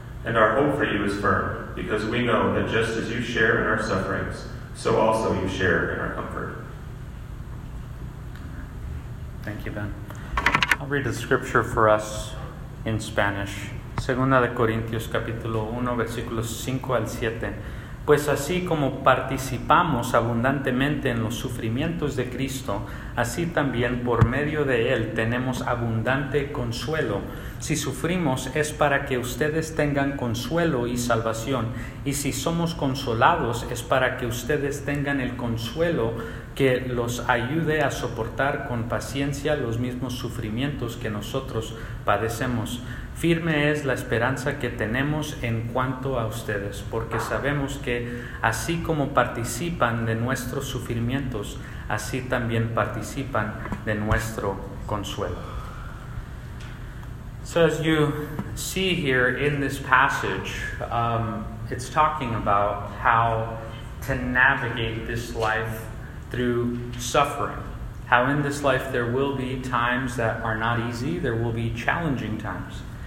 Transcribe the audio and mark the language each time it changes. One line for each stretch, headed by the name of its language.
English: And our hope for you is firm, because we know that just as you share in our sufferings, so also you share in our comfort. Thank you, Ben. I'll read the scripture for us in Spanish.
Spanish: Segunda de Corintios, capítulo 1, versículos 5 al 7. Pues así como participamos abundantemente en los sufrimientos de Cristo, así también por medio de Él tenemos abundante consuelo. Si sufrimos es para que ustedes tengan consuelo y salvación, y si somos consolados es para que ustedes tengan el consuelo que los ayude a soportar con paciencia los mismos sufrimientos que nosotros padecemos. Firme es la esperanza que tenemos en cuanto a ustedes, porque sabemos que así como participan de nuestros sufrimientos, así también participan de nuestro consuelo.
English: So as you see here in this passage, it's talking about how to navigate this life through suffering. How in this life there will be times that are not easy, there will be challenging times.